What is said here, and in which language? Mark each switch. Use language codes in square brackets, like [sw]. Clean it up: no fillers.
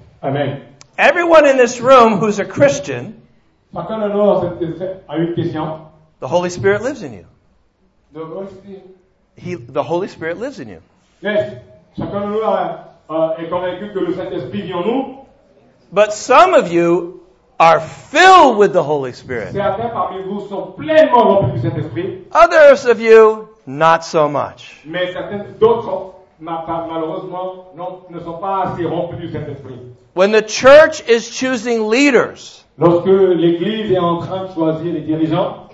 [en] Amen. Everyone in this room who's a Christian, [fr] chacun de nous a une question. [en] The Holy Spirit lives in you. The Holy Spirit. The Holy Spirit lives in you. [fr] Yes, chacun de nous est convaincu que le Saint-Esprit vit en nous. [en] But some of you are filled with the Holy Spirit. [fr] Certains parmi vous sont pleinement remplis du Saint-Esprit. [en] Others of you, not so much. [fr] Mais certains d'autres, malheureusement, ne sont pas assez remplis du Saint-Esprit. [en] When the church is choosing leaders, [fr] lorsque l'Église est en train de choisir les dirigeants,